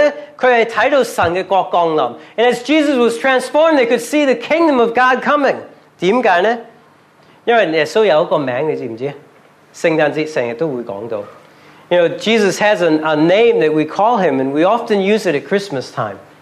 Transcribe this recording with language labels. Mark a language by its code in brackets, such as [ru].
[zh] 所以耶稣改变形象呢，他是看到神的国降临。 [en] And as Jesus was transformed, they could see the kingdom of God coming. [zh] 为什么呢? 因为耶稣有一个名字，你知不知? 圣诞节经常都会讲到。 [en] You know, Jesus has a name that we call him, and we often use it at Christmas time.